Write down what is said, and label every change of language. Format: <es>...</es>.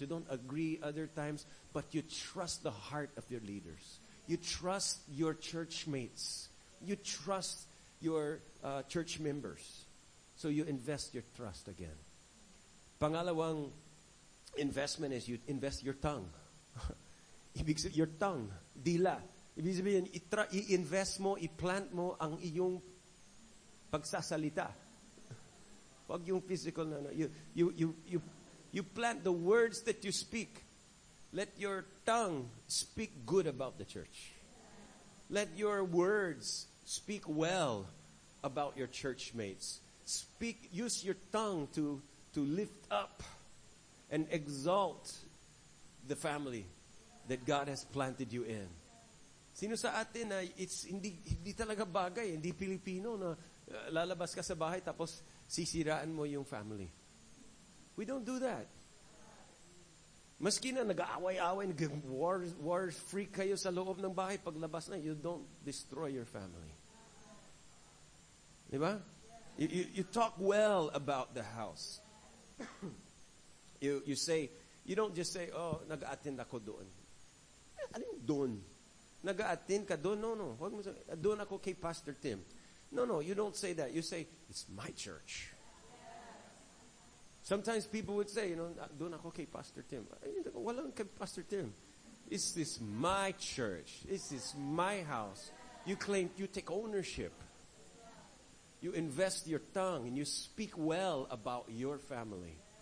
<en>You don't agree other times. But you trust the heart of your leaders. You trust your church mates. You trust your church members. So you invest your trust again. Pangalawang investment is you invest your tongue.</en> <tl>Ibig sabihin,</tl> <en>your tongue,</en> <tl>dila. Ibig sabihin, i-invest mo, i-plant mo ang iyong pagsasalita. Huwag yung physical na.</tl> <en>You plant the words that you speak. Let your tongue speak good about the church. Let your words speak well about your church mates. speak, use your tongue to lift up and exalt the family that God has planted you in.</en> <tl>Sino sa atin na it's hindi talaga bagay, hindi Pilipino na lalabas ka sa bahay tapos sisiraan mo yung family.</tl> <en>We don't do that.</en> <tl>Maski na nag-aaway-aaway, war free kayo sa loob ng bahay, paglabas na,</tl> <en>you don't destroy your family.</en> <tl>Diba?</tl> <en>You talk well about the house. you don't just say,</en> <tl>oh, nag-attend ako doon. Anong doon? Nag-attend ka doon? No. Huwag mo sabihin, doon ako kay Pastor Tim.</tl> <en>No, you don't say that. You say, it's my church. Sometimes people would say, you know,</en> <tl>doon ako kay Pastor Tim.</tl> <en>Walang kay Pastor Tim. This is my church. This is my house. You claim, you take ownership. You invest your tongue and you speak well about your family.</en>